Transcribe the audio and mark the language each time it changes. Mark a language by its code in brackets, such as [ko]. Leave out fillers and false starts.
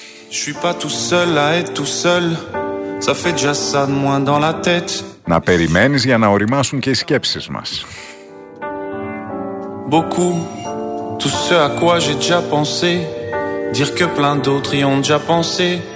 [fr] Je suis pas tout seul à être tout seul. Ça fait déjà ça de moins dans la tête. [el] Να περιμένεις για να οριμάσουν και οι σκέψεις μας. [fr] Beaucoup, tout ce à quoi j'ai déjà pensé. Dire que plein d'autres y ont déjà pensé.